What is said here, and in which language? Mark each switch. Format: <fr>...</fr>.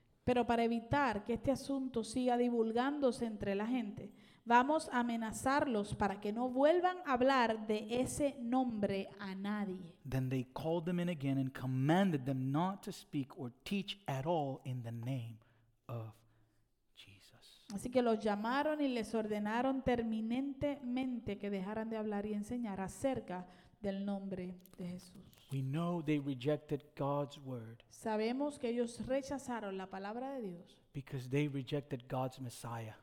<es>Pero para evitar que este asunto siga divulgándose entre la gente, vamos a amenazarlos para que no vuelvan a hablar de ese nombre a nadie.</es> <en>Then they called them in again and commanded them not to speak or teach at all in the name of Jesus.</en> <es>Así que los llamaron y les ordenaron terminantemente que dejaran de hablar y enseñar acerca del nombre de Jesús.</es> <en>We know they rejected God's word.</en> <es>Sabemos que ellos rechazaron la palabra de Dios.</es> <en>Because they rejected God's Messiah.</en>